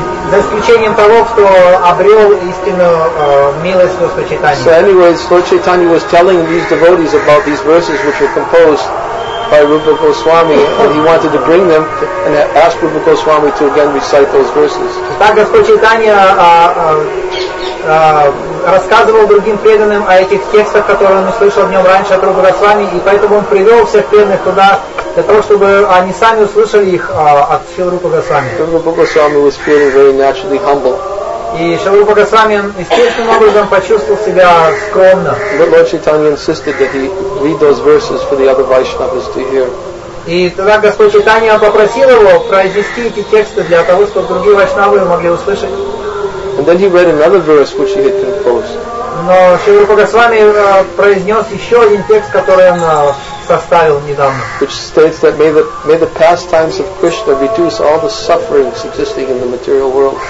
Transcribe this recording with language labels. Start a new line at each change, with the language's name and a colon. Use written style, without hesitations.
Russian: За исключением того, кто обрел истинную милость Господа Чайтаньи.
English: So anyways, Lord Chaitanya was telling these devotees about these verses which were composed by Rupa Goswami, and he wanted to bring them and ask Rupa Goswami to again recite those verses.
Russian: Так Господь Чайтанья рассказывал другим преданным о этих текстах, которые он услышал днем раньше от Рупы Госвами, и поэтому он привел всех преданных туда для того, чтобы они сами услышали их от Шрилы Рупы Госвами.
English: Rupa Goswami was feeling very naturally humble.
Russian: И Шрила Рупа Госвами естественным образом почувствовал себя скромно.
English: But Lord Chaitanya insisted that he read those verses for the other Vaishnavas to hear.
Russian: И тогда Господь Чайтанья попросил его произнести эти тексты для того, чтобы другие вайшнавы могли услышать.
English: And then he read another verse which he had composed.
Russian: Но Шрила Рупа Госвами произнес еще один текст, который он составил недавно.
English: Which states that may the pastimes of Krishna reduce all the sufferings existing in the material world.